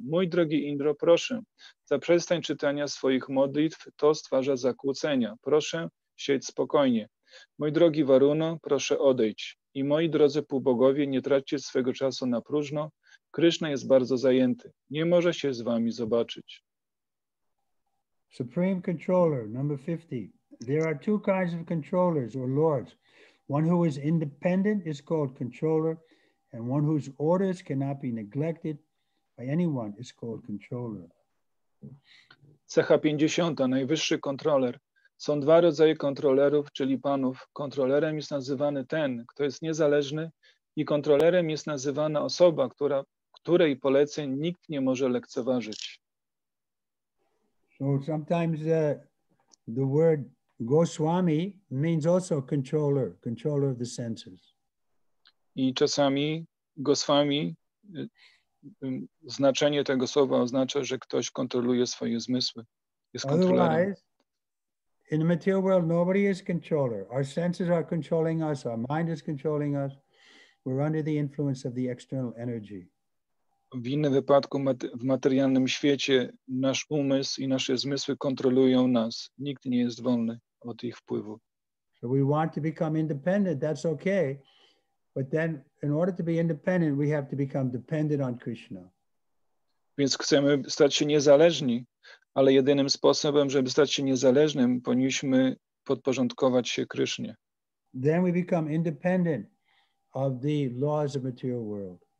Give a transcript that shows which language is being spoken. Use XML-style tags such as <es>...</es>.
<pl>Mój drogi Indro, proszę, zaprzestań czytania swoich modlitw, to stwarza zakłócenia. Proszę, siedź spokojnie. Mój drogi Varuno, proszę odejść. I moi drodzy półbogowie, nie traćcie swego czasu na próżno. Krishna jest bardzo zajęty. Nie może się z wami zobaczyć.</pl> <en>Supreme Controller, number 50. There are two kinds of controllers or lords. One who is independent is called controller, and one whose orders cannot be neglected by anyone is called controller.</en> <pl>Cecha 50. Najwyższy kontroler. Są dwa rodzaje kontrolerów, czyli panów. Kontrolerem jest nazywany ten, kto jest niezależny, i kontrolerem jest nazywana osoba, której poleceń nikt nie może lekceważyć.</pl> <en>So sometimes the word Goswami means also controller of the senses.</en> <pl>I czasami Goswami, znaczenie tego słowa oznacza, że ktoś kontroluje swoje zmysły, jest kontrolerem.</pl> <en>Otherwise, in the material world, nobody is controller. Our senses are controlling us, our mind is controlling us. We're under the influence of the external energy.</en> <pl>W innym wypadku w materialnym świecie nasz umysł i nasze zmysły kontrolują nas. Nikt nie jest wolny od ich wpływu.</pl> <en>So we want to become independent, that's okay. But then in order to be independent, we have to become dependent on Krishna.</en> <pl>Więc chcemy stać się niezależni, ale jedynym sposobem, żeby stać się niezależnym, powinniśmy podporządkować się Krysznie.</pl> <en>Then we become independent of the laws of material world.</en>